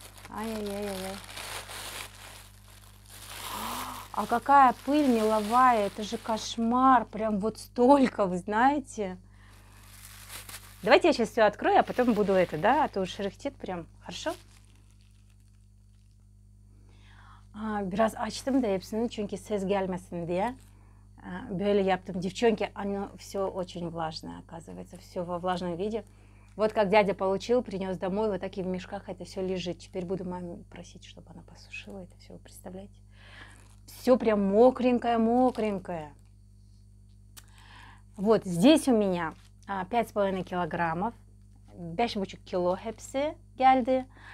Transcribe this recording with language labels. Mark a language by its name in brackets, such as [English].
[Russian] Ай-яй-яй-яй. А какая пыль меловая, это же кошмар. Прям вот столько, вы знаете. Давайте я сейчас все открою, а потом буду это, да, а то шерехтит прям. Хорошо? [Turkish] Biraz açtım da hepsini, çünkü ses gelmesin diye. Böyle yaptım. [Russian] Девчонки, оно все очень влажное, оказывается. Все во влажном виде. Вот как дядя получил, принес домой, вот так и в мешках это все лежит. Теперь буду маме просить, чтобы она посушила это все, вы представляете? Все прям мокренькое-мокренькое. Вот здесь у меня 5,5 килограммов. [Turkish] 5,5 кило hepsi geldi.